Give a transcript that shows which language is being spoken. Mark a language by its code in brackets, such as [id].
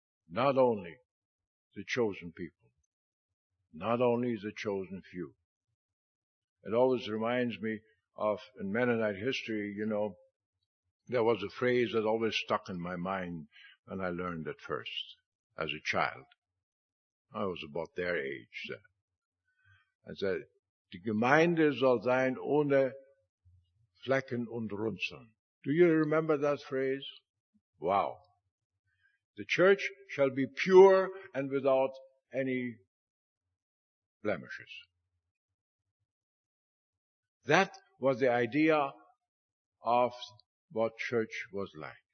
[en] Not only the chosen people, not only the chosen few. It always reminds me of, in Mennonite history, you know, there was a phrase that always stuck in my mind when I learned it first, as a child. I was about their age then. I said, [de] die Gemeinde soll sein ohne Flecken und Runzeln. [en] Do you remember that phrase? Wow. The church shall be pure and without any blemishes. That was the idea of what church was like.